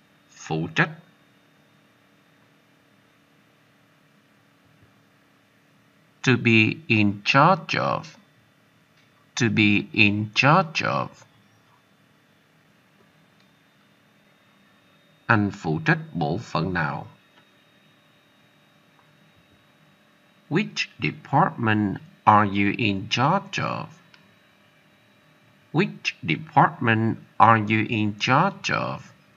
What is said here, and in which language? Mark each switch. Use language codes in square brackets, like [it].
[vi] Phụ trách. [en] To be in charge of, to be in charge of. [vi] Anh phụ trách bộ phận nào? [en] Which department are you in charge of? Which department are you in charge of?